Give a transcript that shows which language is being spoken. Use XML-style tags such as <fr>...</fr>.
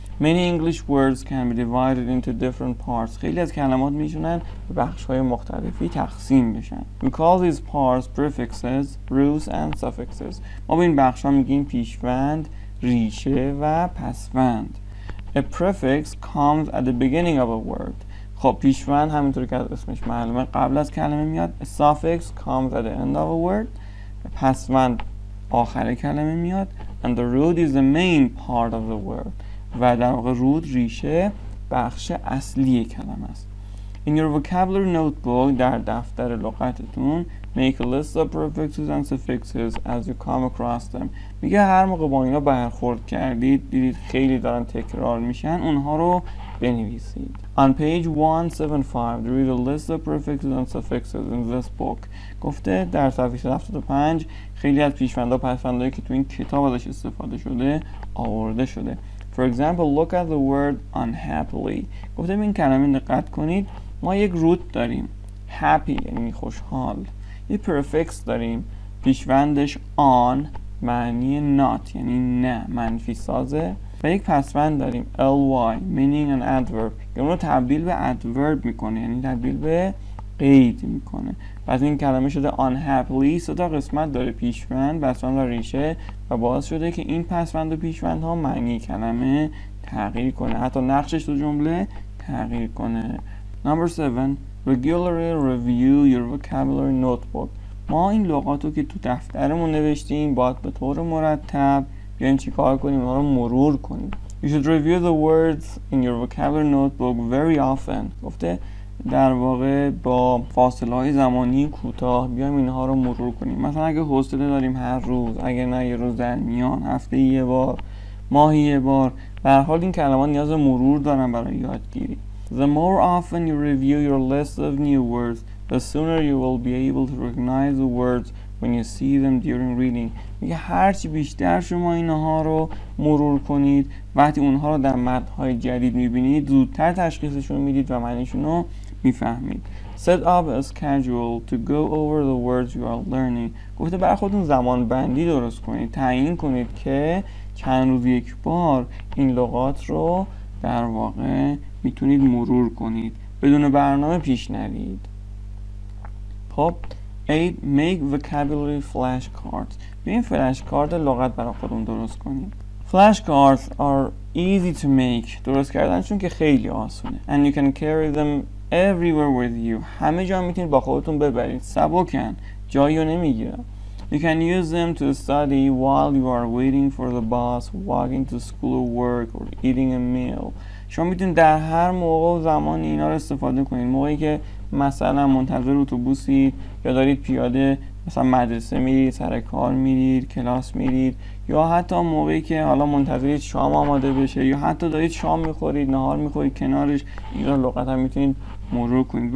<en>Many English words can be divided into different parts.</en> <fa>خیلی از کلمات میتونن به بخش‌های مختلفی تقسیم بشن.</fa> <en>We call these parts prefixes, roots and suffixes.</en> <fa>ما به این بخش‌ها میگیم پیشوند، ریشه و پسوند.</fa> <en>A prefix comes at the beginning of a word.</en> <fa>خب پیشوند همینطور که از اسمش معلومه قبل از کلمه میاد.</fa> <en>A suffix comes at the end of a word.</en> <fa>پسوند آخر کلمه میاد.</fa> <en>And the root is the main part of the word.</en> <fa>و در واقع رود ریشه بخش اصلی کلمه است.</fa> <en>In your vocabulary notebook</en> <fa>در دفتر لغتتون</fa> <en>make a list of prefixes and suffixes as you come across them.</en> <fa>میگه هر موقع با اینا برخورد کردید دیدید خیلی دارن تکرار میشن اونها رو بنویسید.</fa> <en>On page 175 there is a list of prefixes and suffixes in this book.</en> <fa>گفته در صفحه 75 خیلی از پیشوندها و پسوندهایی که تو این کتاب ازش استفاده شده آورده شده.</fa> <en>For example, look at the word unhappily.</en> <fa>گفته این کلمه دقت کنید. ما یک root داریم. Happy یعنی خوشحال. یک prefix داریم. پیشوندش on معنی not یعنی نه منفی سازه. و یک پسوند داریم.</fa> <en>ly meaning an adverb.</en> <fa>که اونو تبدیل به adverb میکنه. یعنی تبدیل به قید میکنه. پس این کلمه شده unhappily. سه تا قسمت داره پیشوند، پسوند و ریشه و باعث شده که این پسوند و پیشوند ها معنی کلمه تغییر کنه، حتی نقشش تو جمله تغییر کنه.</fa> <en>Number 7. Regularly review your vocabulary notebook.</en> <fa>ما این لغات رو که تو دفترمون نوشتیم باید به طور مرتب بیاییم چیکار کنیم اونها رو مرور کنیم.</fa> <en>You should review the words in your vocabulary notebook very often.</en> <fa>گفته در واقع با فاصله های زمانی کوتاه بیایم اینها رو مرور کنیم. مثلا اگه حوصله داریم هر روز، اگه نه یه روز در میان، هفته یه بار، ماهی یه بار، به هر حال این کلمات نیاز مرور دارن برای یادگیری.</fa> <en>The more often you review your list of new words, the sooner you will be able to recognize the words when you see them during reading.</en> <fa>میگه هرچی بیشتر شما اینها رو مرور کنید وقتی اونها رو در متن‌های جدید میبینید زودتر تشخیصشون میدید و معنیشون رو میفهمید.</fa> <en>Set up a schedule to go over the words you are learning.</en> <fa>گفته برای خودتون زمان بندی درست کنید، تعیین کنید که چند روز یک بار این لغات رو در واقع میتونید مرور کنید، بدون برنامه پیش نرید. خب 8.</fa> <en>Make vocabulary flashcards.</en> <fa>بیاین فلشکارد لغت برای خودمون درست کنیم.</fa> <en>Flashcards are easy to make.</en> <fa>درست کردنشون که خیلی آسونه.</fa> <en>And you can carry them everywhere with you.</en> <fa>همه جا میتونید با خودتون ببرید. سبکن. جایی رو نمیگیرن.</fa> <en>You can use them to study while you are waiting for the bus, walking to school or work, or eating a meal.</en> <fa>شما میتونید در هر موقع و زمانی اینا رو استفاده کنید. موقعی که مثلا منتظر اتوبوسید یا دارید پیاده مثلا مدرسه میرید، سر کار میرید، کلاس میرید، یا حتی موقعی که حالا منتظرید شام آماده بشه یا حتی دارید شام میخورید، نهار میخورید کنارش اینا رو لغت هم میتونید مرور کنید.</fa>